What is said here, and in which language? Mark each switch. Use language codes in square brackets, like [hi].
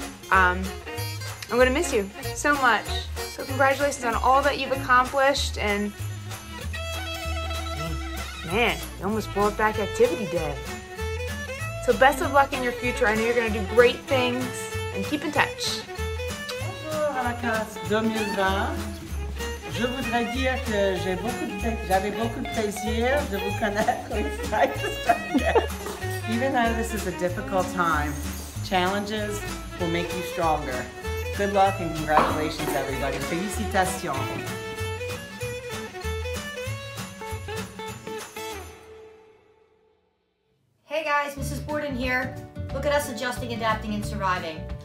[en] I'm gonna miss you so much. So congratulations on all that you've accomplished and Man, you almost brought back activity day. So best of luck in your future. I know you're going to do great things. And keep in touch. [fr] Bonjour à la classe 2020. Je voudrais dire que j'avais beaucoup de plaisir de vous connaître. [en] Even though this is a difficult time, challenges will make you stronger. Good luck and congratulations, everybody. [fr] Félicitations. [en] Hey guys, Mrs. Borden here. Look at us adjusting, adapting, and surviving.